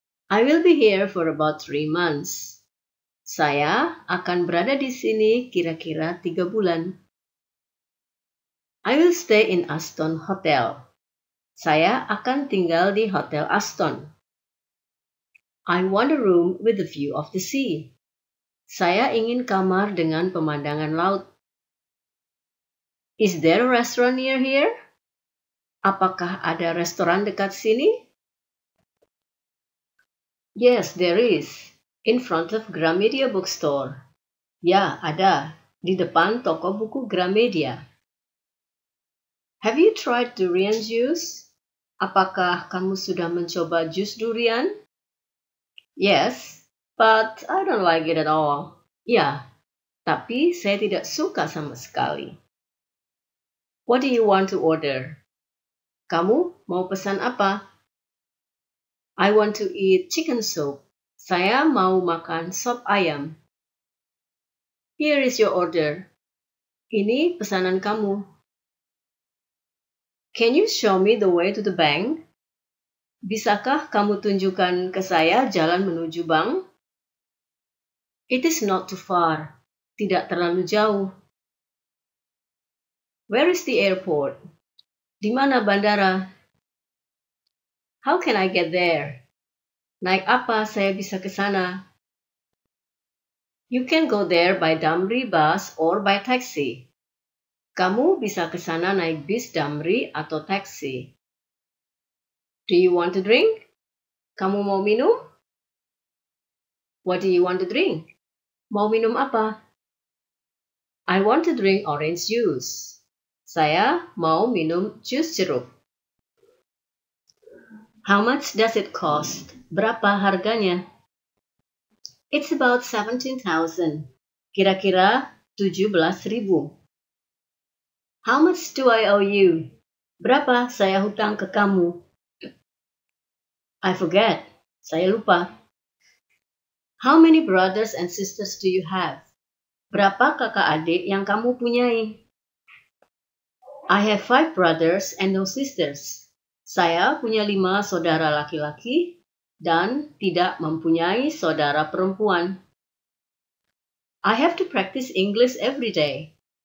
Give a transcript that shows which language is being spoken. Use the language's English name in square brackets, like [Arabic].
[English] I will be here for about 3 months. [Indonesian] Saya akan berada di sini kira-kira 3 bulan. [English] I will stay in Aston Hotel. [Indonesian] Saya akan tinggal di Hotel Aston. [English] I want a room with a view of the sea. [Indonesian] Saya ingin kamar dengan pemandangan laut. [English] Is there a restaurant near here? [Indonesian] Apakah ada restoran dekat sini? [English] Yes, there is. In front of Gramedia Bookstore. [Indonesian] Ya, ada. Di depan toko buku Gramedia. [English] Have you tried durian juice? [Indonesian] Apakah kamu sudah mencoba jus durian? [English] Yes, but I don't like it at all. [Indonesian] Ya, tapi saya tidak suka sama sekali. [English] What do you want to order? [Indonesian] Kamu mau pesan apa? [English] I want to eat chicken soup. [Indonesian] Saya mau makan sop ayam. [English] Here is your order. [Indonesian] Ini pesanan kamu. [English] Can you show me the way to the bank? [Indonesian] Bisakah kamu tunjukkan ke saya jalan menuju bank? [English] It is not too far. [Indonesian] Tidak terlalu jauh. [English] Where is the airport? [Indonesian] Di mana bandara? [English] How can I get there? [Indonesian] Naik apa saya bisa ke sana? [English] You can go there by Damri bus or by taxi. [Indonesian] Kamu bisa ke sana naik bis Damri atau taksi. [English] Do you want to drink? [Indonesian] Kamu mau minum? [English] What do you want to drink? [Indonesian] Mau minum apa? [English] I want to drink orange juice. [Indonesian] Saya mau minum jus jeruk. [English] How much does it cost? [Indonesian] Berapa harganya? [English] It's about 17,000. [Indonesian] Kira-kira 17,000. [English] How much do I owe you? [Indonesian] Berapa saya hutang ke kamu? [English] I forget. [Indonesian] Saya lupa. [English] How many brothers and sisters do you have? [Indonesian] Berapa kakak adik yang kamu punyai? [English] I have 5 brothers and no sisters. [Indonesian] Saya punya 5 saudara laki-laki dan tidak mempunyai saudara perempuan. [English] I have to practice English every day.